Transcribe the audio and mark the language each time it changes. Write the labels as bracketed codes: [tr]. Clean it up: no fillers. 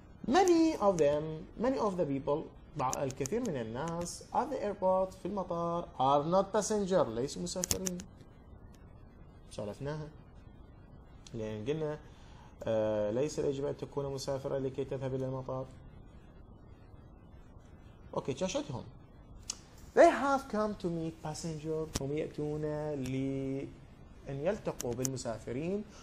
[en] many of the people [ar] الكثير من الناس [en] at the airport [ar] في المطار [en] are not passenger [ar] ليسوا مسافرين سالفناها لأن قلنا ليس يجب أن تكون مسافرة لكي تذهب إلى المطار. أوكي تشاهدهم. [en] They have come to meet passengers. [ar] هم يأتون لأن يلتقوا بالمسافرين.